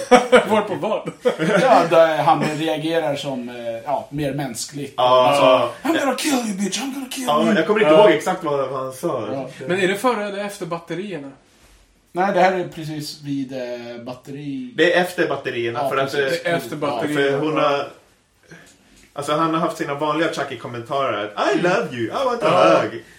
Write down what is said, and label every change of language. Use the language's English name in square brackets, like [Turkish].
[Swedish] Varpå vad? Ja, där han reagerar som mer mänskligt. [English] I'm gonna kill you, bitch, I'm gonna kill you. [Swedish] Jag kommer inte ihåg exakt vad han sa. Men är det före eller efter batterierna? Nej, det här är precis vid batteri. Det är efter batterierna. Alltså han har haft sina vanliga Chucky-kommentarer. [English] I love you, I want a hug.